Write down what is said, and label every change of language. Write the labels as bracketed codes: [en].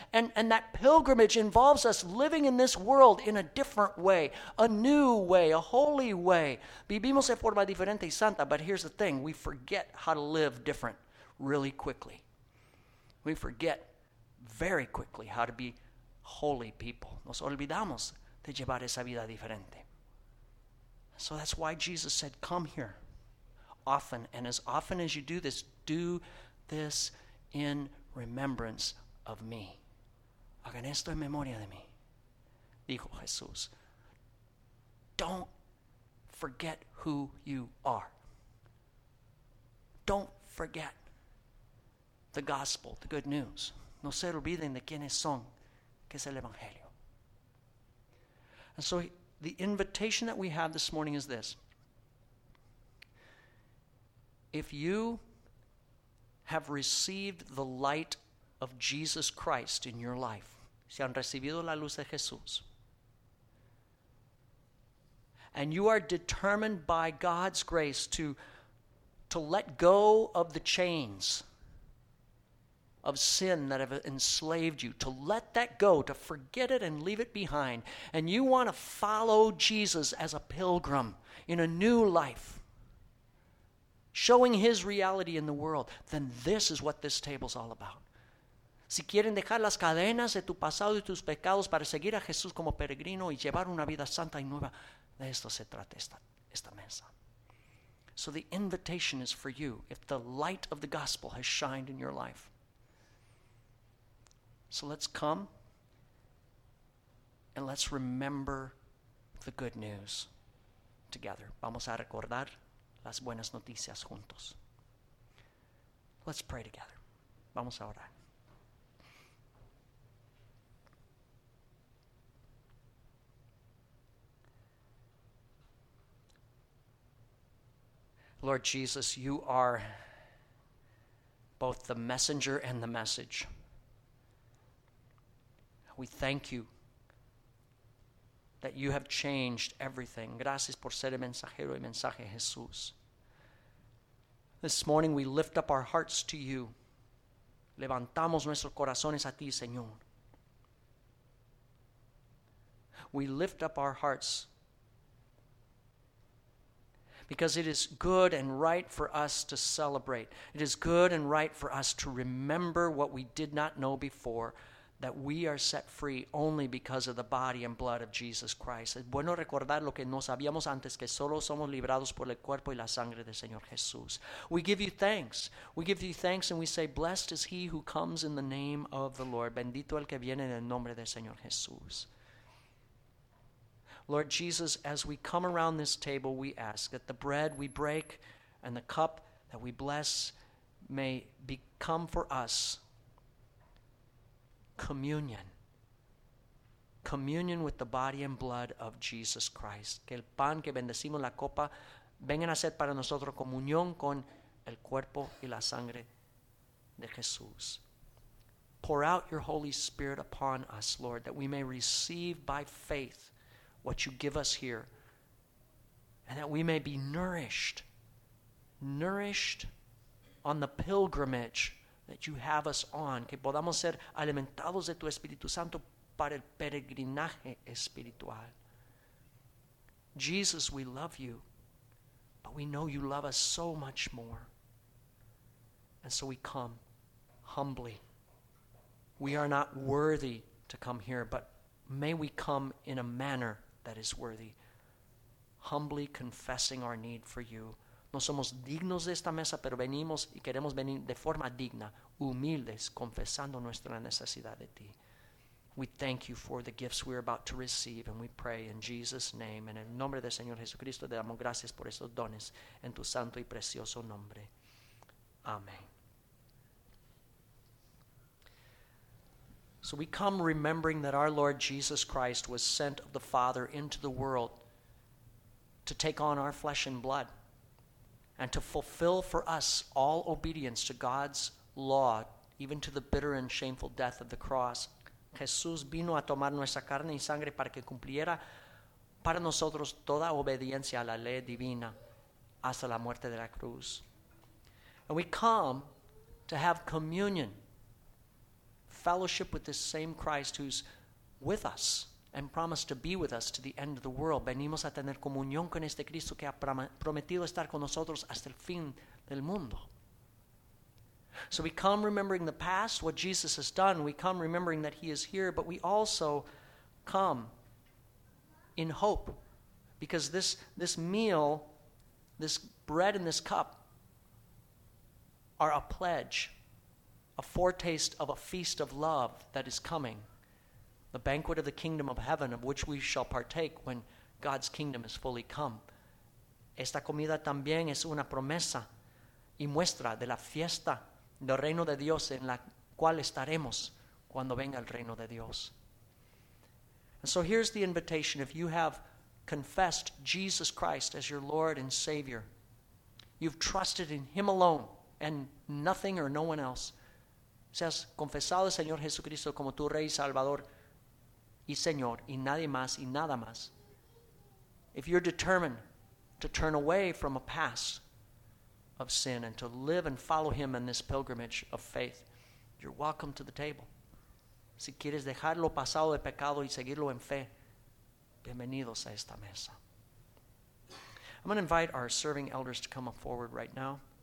[en] And that pilgrimage involves us living in this world in a different way, a new way, a holy way. [es] Vivimos de forma diferente y santa, [en] but here's the thing, we forget how to live different really quickly. We forget very quickly how to be holy people. [es] Nos olvidamos de llevar esa vida diferente. [en] So that's why Jesus said, come here often, and as often as you do this, do this in remembrance of me. [es] Hagan esto en memoria de mí, dijo Jesús. [en] Don't forget who you are. Don't forget the gospel, the good news. [es] No se olviden de quiénes son, que es el evangelio. [en] And so the invitation that we have this morning is this. If you have received the light of Jesus Christ in your life, [es] si han recibido la luz de Jesús, [en] and you are determined by God's grace to let go of the chains of sin that have enslaved you, to let that go, to forget it and leave it behind, and you want to follow Jesus as a pilgrim in a new life, showing his reality in the world, then this is what this table's all about. [es] Si quieren dejar las cadenas de tu pasado y tus pecados para seguir a Jesús como peregrino y llevar una vida santa y nueva, de esto se trata esta mesa. [en] So the invitation is for you, if the light of the gospel has shined in your life. So let's come and let's remember the good news together. [es] Vamos a recordar las buenas noticias juntos. [en] Let's pray together. [es] Vamos a orar. [en] Lord Jesus, you are both the messenger and the message. We thank you that you have changed everything. [es] Gracias por ser el mensajero y mensaje, Jesús. [en] This morning we lift up our hearts to you. [es] Levantamos nuestros corazones a ti, Señor. [en] We lift up our hearts because it is good and right for us to celebrate. It is good and right for us to remember what we did not know before, that we are set free only because of the body and blood of Jesus Christ. [es] Es bueno recordar lo que no sabíamos antes, que solo somos librados por el cuerpo y la sangre del Señor Jesús. [en] We give you thanks. We give you thanks and we say, blessed is he who comes in the name of the Lord. [es] Bendito el que viene en el nombre del Señor Jesús. [en] Lord Jesus, as we come around this table, we ask that the bread we break and the cup that we bless may become for us communion. Communion with the body and blood of Jesus Christ. [es] Que el pan que bendecimos la copa vengan a ser para nosotros comunión con el cuerpo y la sangre de Jesús. [en] Pour out your Holy Spirit upon us, Lord, that we may receive by faith what you give us here, and that we may be nourished on the pilgrimage that you have us on. [es] Que podamos ser alimentados de tu Espíritu Santo para el peregrinaje espiritual. [en] Jesus, we love you, but we know you love us so much more. And so we come humbly. We are not worthy to come here, but may we come in a manner that is worthy, humbly confessing our need for you. [es] No somos dignos de esta mesa, pero venimos y queremos venir de forma digna, humildes, confesando nuestra necesidad de ti. [en] We thank you for the gifts we are about to receive, and we pray in Jesus' name. [es] En el nombre del Señor Jesucristo, te damos gracias por esos dones, en tu santo y precioso nombre. Amén. [en] So we come remembering that our Lord Jesus Christ was sent of the Father into the world to take on our flesh and blood and to fulfill for us all obedience to God's law, even to the bitter and shameful death of the cross. [es] Jesús vino a tomar nuestra carne y sangre para que cumpliera para nosotros toda obediencia a la ley divina hasta la muerte de la cruz. [en] And we come to have communion, fellowship with this same Christ who's with us and promised to be with us to the end of the world. [es] Venimos a tener comunión con este Cristo que ha prometido estar con nosotros hasta el fin del mundo. [en] So we come remembering the past, what Jesus has done. We come remembering that he is here, but we also come in hope because this meal, this bread and this cup are a pledge, a foretaste of a feast of love that is coming, the banquet of the kingdom of heaven of which we shall partake when God's kingdom is fully come. [es] Esta comida también es una promesa y muestra de la fiesta del reino de Dios en la cual estaremos cuando venga el reino de Dios. [en] And so here's the invitation. If you have confessed Jesus Christ as your Lord and Savior, you've trusted in him alone and nothing or no one else, [es] si has confesado al Señor Jesucristo como tu Rey, Salvador y Señor, y nadie más y nada más. [en] If you're determined to turn away from a past of sin and to live and follow him in this pilgrimage of faith, you're welcome to the table. [es] Si quieres dejar lo pasado de pecado y seguirlo en fe, bienvenidos a esta mesa. [en] I'm going to invite our serving elders to come up forward right now.